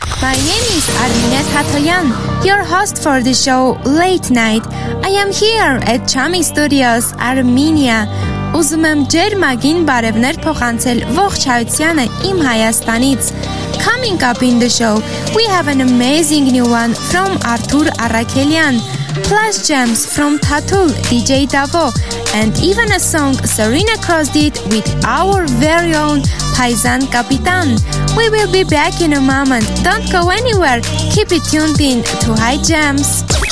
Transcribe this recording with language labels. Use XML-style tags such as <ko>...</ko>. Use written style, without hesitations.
<en>My name is Arminet Hatoyan, your host for the show Late Night. I am here at Chami Studios, Armenia.</en> <hy>Ուզում եմ ջերմագին բարևներ փոխանցել ողջ հայությանը իմ Հայաստանից.</hy> <en>Coming up in the show, we have an amazing new one from Artur Arakelian, plus gems from Tatul, DJ Davo, and even a song Serena Cross did with our very own Paisan Capitan. We will be back in a moment. Don't go anywhere. Keep it tuned in to High Gems.</en>